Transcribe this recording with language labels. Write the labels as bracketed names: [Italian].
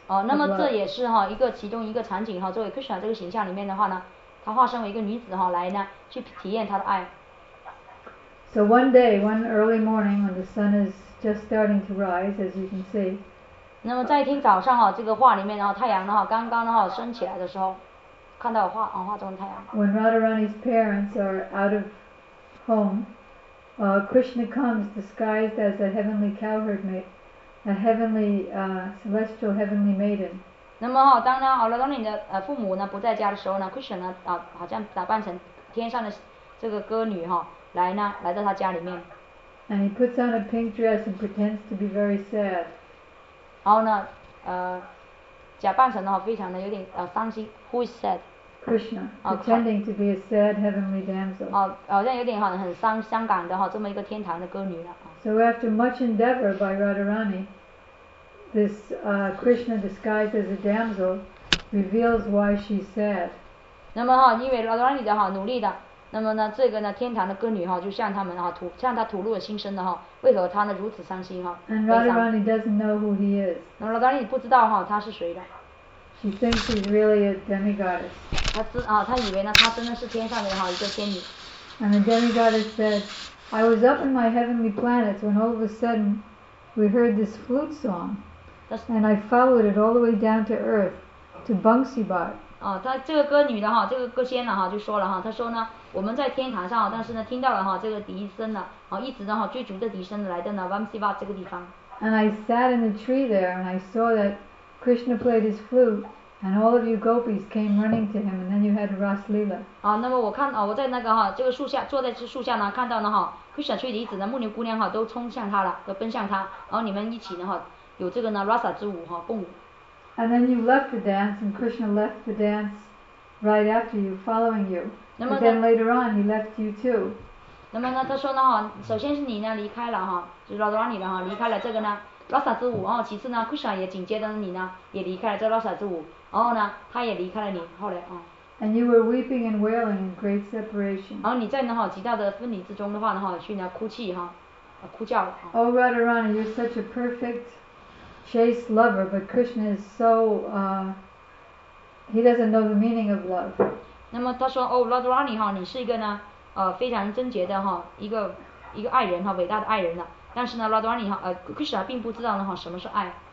[Chinese] 哦，那么这也是哈一个其中一个场景哈，作为 Krishna 这个形象里面的话呢，他化身为一个女子哈来呢去体验他的爱。 [English] So one day, one early morning, when the sun is just starting to rise, as you can see. [Chinese] 那么在一天早上哈，这个画里面哈，太阳哈刚刚哈升起来的时候，看到画啊画中的太阳。 [English] When Radharani's parents are out of home, Krishna comes disguised as a heavenly cowherd maid, a heavenly, celestial heavenly maiden. [Chinese] 那么哈，当呢Radharani的父母呢不在家的时候呢，Krishna呢好像打扮成天上的这个歌女哈，来呢来到他家里面。 [English] And he puts on a pink dress and pretends to be very sad. [Chinese] 然后呢，假扮成呢非常的有点伤心。 [English] Who is sad? Krishna, pretending to be a sad heavenly damsel. [Chinese] 好像有点很伤感的这么一个天堂的歌女了。 [English] So after much endeavor by Radharani, this Krishna disguised as a damsel reveals why she's sad. [Chinese] 那么因为 Radharani 的努力的，那么呢这个呢天堂的歌女就向他们向他吐露了心声的为何她呢如此伤心 [English] And Radharani doesn't know who he is. [Chinese] 那 Radharani 不知道他是谁的。 [English] She thinks he's really a demigoddess. [Chinese] 他以为呢他真的是天上的一个仙女。 [English] And the demigoddess said, I was up in my heavenly planets when all of a sudden we heard this flute song, and I followed it all the way down to earth, to Bhangsibhat. [Chinese] 他这个歌女的这个歌仙的就说了她说呢我们在天堂上但是呢听到了这个笛声了一直追逐着笛声来到了 Bhangsibhat 这个地方。 [English] And I sat in the tree there and I saw that Krishna played his flute,And all of you gopis came running to him, and then you had Rasleela. [Chinese] 那么我看我在那个这个树下坐在这树下呢，看到呢Krishna 吹笛子的牧牛姑娘都冲向他了，都奔向他，然后你们一起呢有这个呢 Rasa 之舞共舞。 [English] And then you left the dance, and Krishna left the dance right after you, following you. But then later on, he left you too. [Chinese] 那么呢，他说呢首先是你呢离开了就是 Radharani 了离开了这个呢。 Rasa 之舞其次呢 ，Krishna 也紧接着你呢，也离开了这 Rasa 之舞，然后呢，他也离开了你。后来 [English] And you were weeping and wailing in great separation. [Chinese] 然后你在呢极大的分离之中的话呢去呢哭泣哭叫。 [English] Oh Radharani, you're such a perfect chaste lover, but Krishna is so he doesn't know the meaning of love. [Chinese] 那么他说 ， [English] Oh Radharani [Chinese] 你是一个呢非常贞洁的一个爱人伟大的爱人了。但是呢 ，Radharani Krishna 并不知道呢什么是爱。